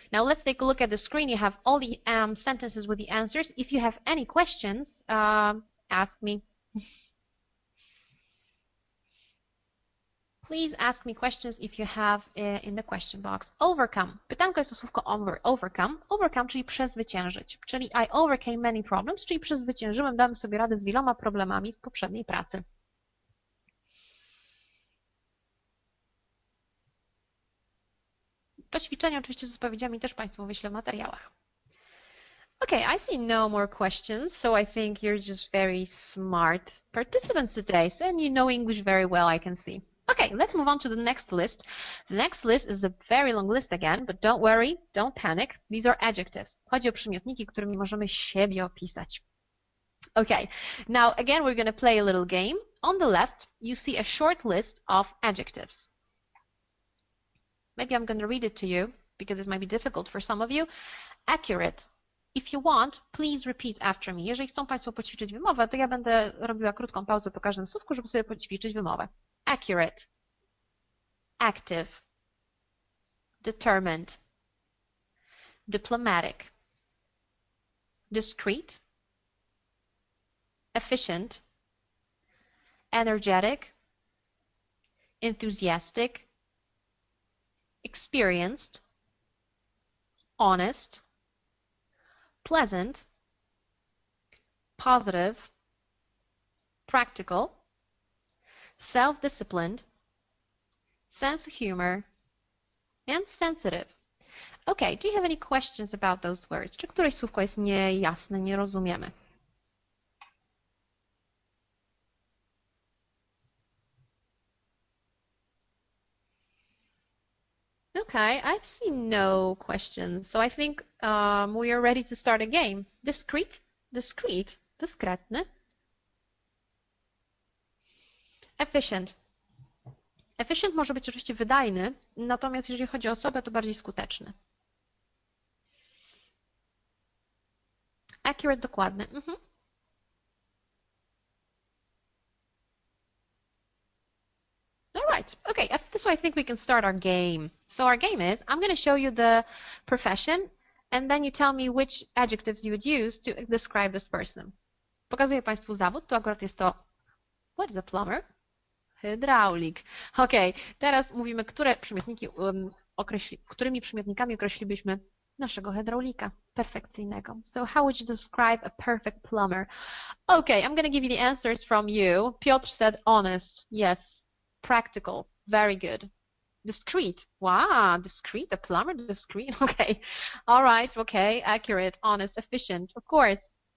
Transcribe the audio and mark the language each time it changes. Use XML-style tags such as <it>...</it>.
<en>Now, let's take a look at the screen. You have all the sentences with the answers. If you have any questions, ask me. Please ask me questions if you have in the question box. Overcome.</en> <pl>Pytanko jest o słówko overcome. Overcome, czyli przezwyciężyć. Czyli</pl> <en>I overcame many problems,</en> <pl>czyli przezwyciężyłem, dałem sobie radę z wieloma problemami w poprzedniej pracy. to ćwiczenie oczywiście z odpowiedziami też Państwu wyślę w materiałach.</pl> <en>Okay, I see no more questions, so I think you're just very smart participants today, so and you know English very well, I can see. Okay, let's move on to the next list. The next list is a very long list again, but don't worry, don't panic. These are adjectives.</en> <pl>Chodzi o przymiotniki, którymi możemy siebie opisać.</pl> <en>Okay, now again, we're going to play a little game. On the left, you see a short list of adjectives. Maybe I'm going to read it to you, because it might be difficult for some of you. Accurate. If you want, please repeat after me.</en> <pl>Jeżeli chcą Państwo poćwiczyć wymowę, to ja będę robiła krótką pauzę po każdym słówku, żeby sobie poćwiczyć wymowę.</pl> <en>Accurate, active, determined, diplomatic, discreet, efficient, energetic, enthusiastic, experienced, honest, pleasant, positive, practical, self-disciplined, sense of humor, and sensitive. Okay, do you have any questions about those words?</en> <pl>Czy któreś słówko jest niejasne, nie rozumiemy?</pl> <en>Okay, I've seen no questions, so I think we are ready to start a game. Discreet, discreet, dyskretny.</en> <pl>Efficient. Efficient może być oczywiście wydajny, natomiast jeżeli chodzi o osobę, to bardziej skuteczny.</pl> <en>Accurate, dokładny. All right. Okay, so I think we can start our game. So our game is, I'm going to show you the profession, and then you tell me which adjectives you would use to describe this person.</en> <pl>Pokazuję Państwu zawód, tu akurat jest to,</pl> <en>what is a plumber?</en> <pl>Hydraulik. Okej, okay, teraz mówimy, które przymiotniki, którymi przymiotnikami określilibyśmy naszego hydraulika perfekcyjnego.</pl> <en>So how would you describe a perfect plumber? Okay, I'm going to give you the answers from you. Piotr said honest. Yes. Practical. Very good. Discreet. Wow, discreet. A plumber, discreet. Okay. All right. Okay. Accurate. Honest. Efficient. Of course.</en>